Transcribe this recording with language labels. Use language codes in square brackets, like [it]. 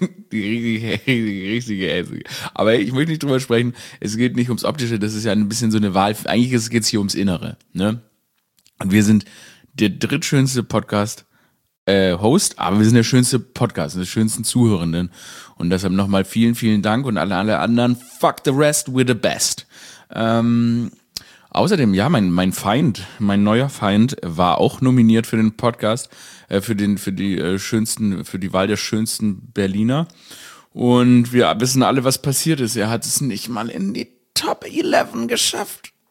[de] Die richtige hässliche. Aber ich möchte nicht drüber sprechen. Es geht nicht ums Optische. Das ist ja ein bisschen so eine Wahl. Eigentlich geht es hier ums Innere. Ne? Und wir sind der drittschönste Podcast-Host, aber wir sind der schönste Podcast, der schönsten Zuhörenden. Und deshalb nochmal vielen, vielen Dank und alle anderen. [en] Fuck the rest, we're the best. [de] Außerdem, ja, mein Feind, mein neuer Feind war auch nominiert für den Podcast, für die Wahl der schönsten Berliner. Und wir wissen alle, was passiert ist. Er hat es nicht mal in die Top 11 geschafft.